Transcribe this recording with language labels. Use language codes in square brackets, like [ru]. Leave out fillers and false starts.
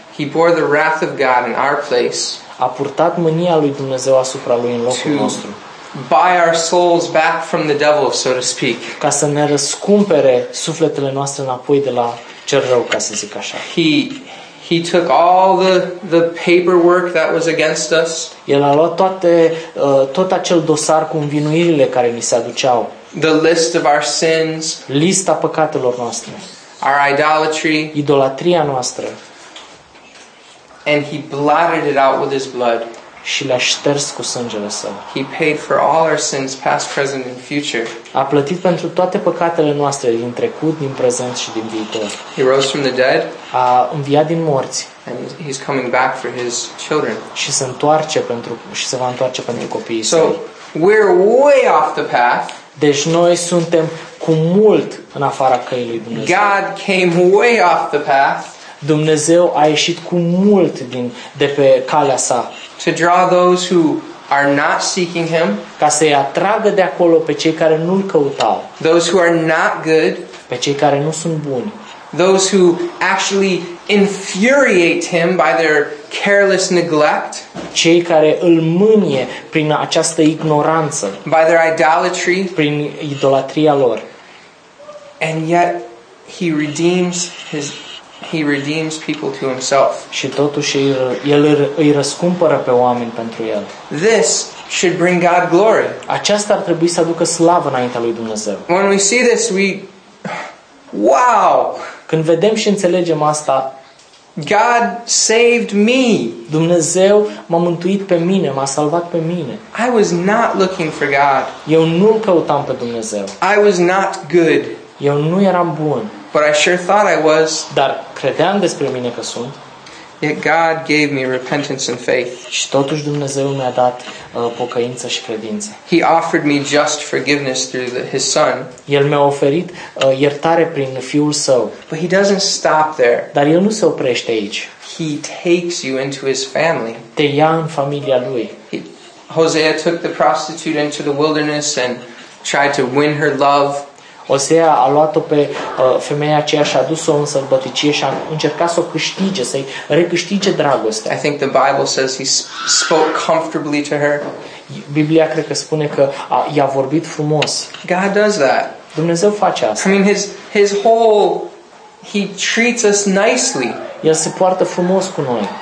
[en] He bore the wrath of God in our place. [ro] A purtat mânia lui Dumnezeu asupra lui în locul nostru. [en] Buy our souls back from the devil, so to speak. [ro] Ca să ne răscumpere sufletele noastre înapoi de la cel rău, ca să zic așa. [en] He took all the paperwork that was against us. [ro] El a luat tot acel dosar cu învinuirile care ni se aduceau. [en] The list of our sins. [ro] Lista păcatelor noastre. [en] Our idolatry. [ro] Idolatria noastră. [en] And he blotted it out with his blood. [ro] Și le-a șters cu sângele său. [en] He paid for all our sins, past, present and future. [ro] A plătit pentru toate păcatele noastre din trecut, din prezent și din viitor. [en] He rose from the dead. [ro] A înviat din morți. [en] And he's coming back for his children. [ro] Și se întoarce pentru și se va întoarce pentru copiii săi. [en] So we're way off the path. [ro] Deci noi suntem cu mult în afara căii lui Dumnezeu. [en] God came way off the path. [ro] Dumnezeu a ieșit cu mult din de pe calea sa. [en] To draw those who are not seeking him, [ro] ca să îi atragă de acolo pe cei care nu-l căutau. [en] Those who are not good, [ro] pe cei care nu sunt buni. [en] Those who actually infuriate him by their careless neglect, [ro] cei care îl mânie prin această ignoranță. [en] By their idolatry, [ro] prin idolatria lor. [en] And yet he redeems his people to himself. [ro] Și totuși el îi răscumpără pe oameni pentru el. [en] This should bring God glory. [ro] Aceasta ar trebui să aducă slavă înaintea lui Dumnezeu. [en] When we see this, wow! [ro] Când vedem și înțelegem asta, [en] God saved me. [ro] Dumnezeu m-a mântuit pe mine, m-a salvat pe mine. [en] I was not looking for God. [ro] Eu nu căutam pe Dumnezeu. [en] I was not good. [ro] Eu nu eram bun. [en] But I sure thought I was. [ro] Dar credeam despre mine că sunt. [en] Yet God gave me repentance and faith. [ro] Și totuși Dumnezeu mi-a dat pocăință și credință. [en] He offered me just forgiveness through his son. [ro] El mi-a oferit iertare prin fiul său. [en] But he doesn't stop there. [ro] Dar el nu se oprește aici. [en] He takes you into his family. [ro] Te ia în familia lui. [en] Hosea took the prostitute into the wilderness and tried to win her love. [ro] Osea a luat-o pe femeia aceea și a dus-o în sălbăticie și a încercat să o câștige, să-i recâștige dragostea. [en] I think the Bible says he spoke comfortably to her. [ro] Biblia cred că spune că i-a vorbit frumos. [en] God does that. [ro] Dumnezeu face asta. [en] I mean his whole he treats us nicely. [ro] El se poartă frumos cu noi.